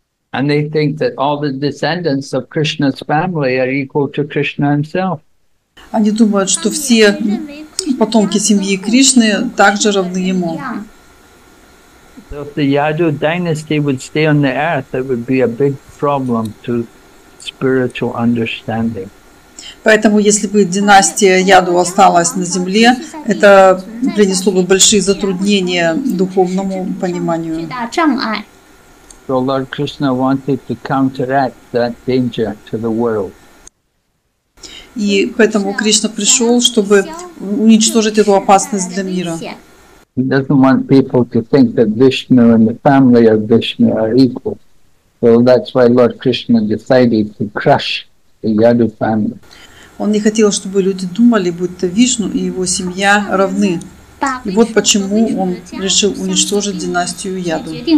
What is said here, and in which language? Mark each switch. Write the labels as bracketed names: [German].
[English] And they think that all the descendants of Krishna's family are equal to Krishna himself. [Russian] Они думают, что все потомки семьи Кришны также равны ему. [English] So if the Yadu dynasty would stay on the earth, it would be a big problem to spiritual understanding. [Russian] Поэтому, если бы династия Яду осталась на земле, это принесло бы большие затруднения духовному пониманию. [English] So Lord Krishna wanted to counteract that danger to the world. [Russian] И поэтому Кришна пришел, чтобы уничтожить эту опасность для мира. [English] He doesn't want people to think that Vishnu and the family of Vishnu are equal. So that's why Lord Krishna decided to crush the Yadu family. [Russian] Он не хотел, чтобы люди думали, будто Вишну и его семья равны. И вот почему он решил уничтожить династию Яду.